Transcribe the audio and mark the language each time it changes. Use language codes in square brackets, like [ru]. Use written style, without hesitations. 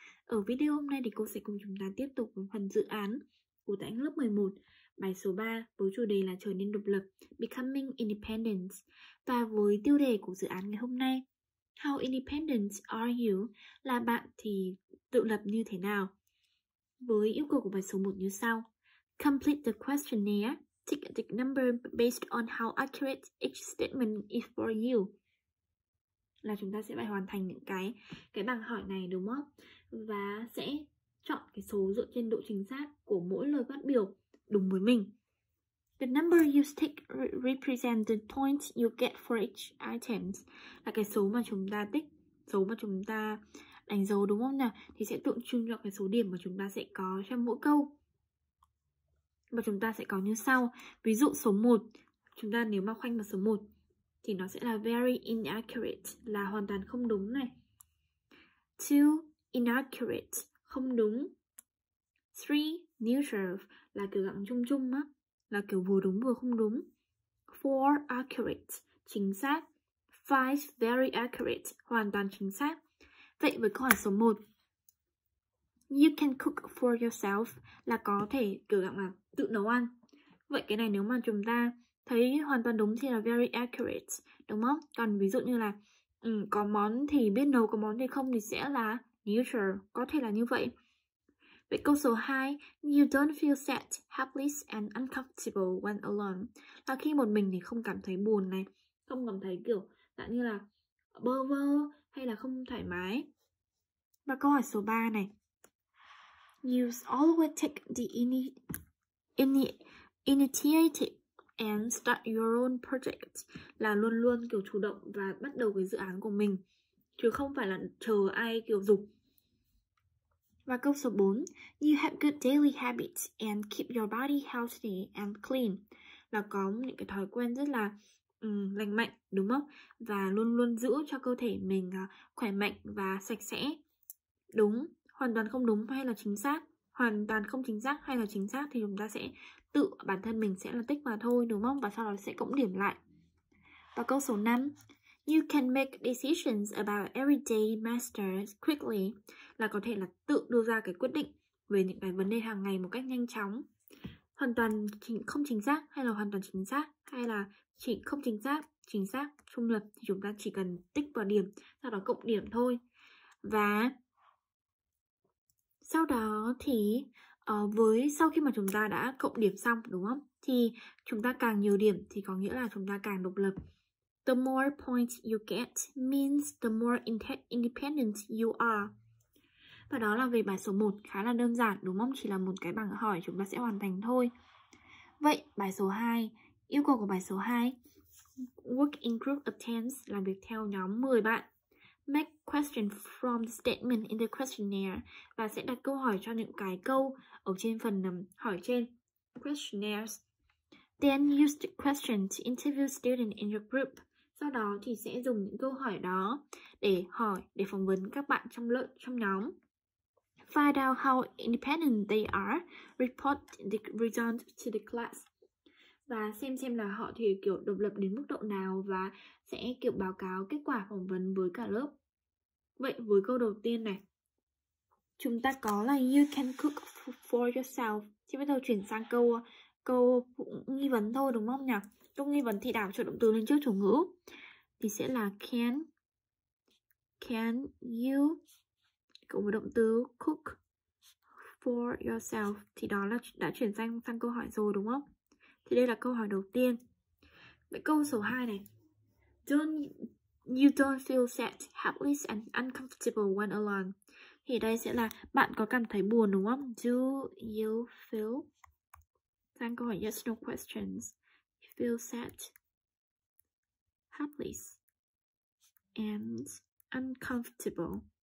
[vi] Ở video hôm nay thì cô sẽ cùng chúng ta tiếp tục với phần dự án của tại lớp 11, bài số 3 với chủ đề là trở nên độc lập, Becoming Independent. Và với tiêu đề của dự án ngày hôm nay, [en] How independent are you? [vi] Là bạn thì tự lập như thế nào? Với yêu cầu của bài số 1 như sau. [en] Complete the questionnaire. Tick the number based on how accurate each statement is for you. [vi] Là chúng ta sẽ phải hoàn thành những cái bảng hỏi này đúng không? Và sẽ chọn cái số dựa trên độ chính xác của mỗi lời phát biểu đúng với mình. [en] The number you tick represents the points you get for each item. [vi] Là cái số mà chúng ta tích, số mà chúng ta đánh dấu đúng không nào? Thì sẽ tượng trưng cho cái số điểm mà chúng ta sẽ có trong mỗi câu. Và chúng ta sẽ có như sau. Ví dụ số 1, chúng ta nếu mà khoanh vào số 1 thì nó sẽ là [en] very inaccurate, [vi] là hoàn toàn không đúng này. 2, inaccurate, không đúng. 3, neutral, là kiểu gặng chung chung á, là kiểu vừa đúng vừa không đúng. 4, accurate, chính xác. 5, very accurate, hoàn toàn chính xác. Vậy với câu hỏi số 1, [en] you can cook for yourself, [vi] là có thể kiểu gặng là tự nấu ăn. Vậy cái này nếu mà chúng ta thấy hoàn toàn đúng thì là very accurate, đúng không? Còn ví dụ như là có món thì biết nấu, có món thì không thì sẽ là neutral, có thể là như vậy. Vậy câu số 2, [en] you don't feel sad, helpless and uncomfortable when alone. [vi] Là khi một mình thì không cảm thấy buồn này, không cảm thấy kiểu dạng như là bơ vơ hay là không thoải mái. Và câu hỏi số 3 này, [en] you always take the initiative and start your own project. [vi] Là luôn luôn kiểu chủ động và bắt đầu cái dự án của mình, chứ không phải là chờ ai kiểu giục. Và câu số 4, [en] you have good daily habits and keep your body healthy and clean. [vi] Là có những cái thói quen rất là lành mạnh, đúng không? Và luôn luôn giữ cho cơ thể mình khỏe mạnh và sạch sẽ. Đúng, hoàn toàn không đúng hay là chính xác? Hoàn toàn không chính xác hay là chính xác thì chúng ta sẽ tự bản thân mình sẽ là tích mà thôi, đúng không? Và sau đó sẽ cộng điểm lại. Và câu số 5, [en] you can make decisions about everyday matters quickly. [vi] Là có thể là tự đưa ra cái quyết định về những cái vấn đề hàng ngày một cách nhanh chóng. Hoàn toàn không chính xác hay là hoàn toàn chính xác, hay là chỉ không chính xác, chính xác, trung lập thì chúng ta chỉ cần tích vào điểm, sau đó cộng điểm thôi. Và sau đó thì sau khi mà chúng ta đã cộng điểm xong đúng không, thì chúng ta càng nhiều điểm thì có nghĩa là chúng ta càng độc lập. [en] The more points you get means the more independent you are. [vi] Và đó là về bài số 1, khá là đơn giản đúng không? Chỉ là một cái bảng hỏi chúng ta sẽ hoàn thành thôi. Vậy bài số 2, yêu cầu của bài số 2, [en] work in group of 10, [vi] làm việc theo nhóm 10 bạn. [en] Make question from the statement in the questionnaire, [vi] và sẽ đặt câu hỏi cho những cái câu ở trên phần hỏi trên questionnaires. [en] Then use the question to interview students in your group. [vi] Sau đó thì sẽ dùng những câu hỏi đó để hỏi, để phỏng vấn các bạn trong lớp, trong nhóm. [en] Find out how independent they are. Report the results to the class. [vi] Và xem là họ thì kiểu độc lập đến mức độ nào và sẽ kiểu báo cáo kết quả phỏng vấn với cả lớp. Vậy với câu đầu tiên này, chúng ta có là [en] you can cook for yourself. [vi] Chứ bắt đầu chuyển sang câu nghi vấn thôi đúng không nhỉ? Câu nghi vấn thì đảo cho động từ lên trước chủ ngữ. Thì sẽ là can you cộng với động từ [en] cook for yourself. [vi] Thì đó là đã chuyển sang câu hỏi rồi đúng không? Thì đây là câu hỏi đầu tiên. Vậy câu số 2 này. [en] You don't feel sad, helpless and uncomfortable when alone. [vi] Thì đây sẽ là bạn có cảm thấy buồn đúng không? [en] Do you feel, [vi] sang câu hỏi [en] yes no questions, feel sad, helpless and uncomfortable.